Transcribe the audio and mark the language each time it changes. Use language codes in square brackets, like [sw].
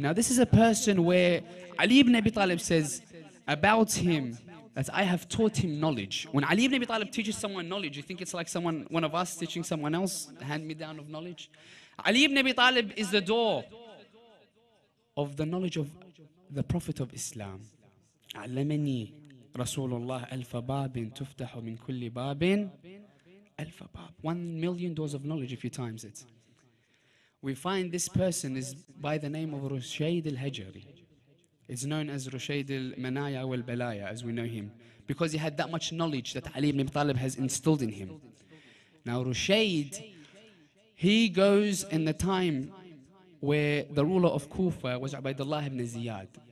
[en] Now this is a person where Ali ibn Abi Talib says about him that I have taught him knowledge. When Ali ibn Abi Talib teaches someone knowledge, you think it's like someone, one of us teaching someone else hand-me-down of knowledge? Ali ibn Abi Talib is the door of the knowledge of the Prophet of Islam. [ar] علمني رسول الله ألف باب تفتح من كل باب ألف باب. [en] 1 million doors of knowledge if you times it. We find this person is by the name of Rushayd al-Hajari. It's known as Rushayd al-Manaya wal-Balaya, as we know him, because he had that much knowledge that Ali ibn Talib has instilled in him. Now Rushayd, he goes in the time where the ruler of Kufa was Ubaydullah ibn Ziyad.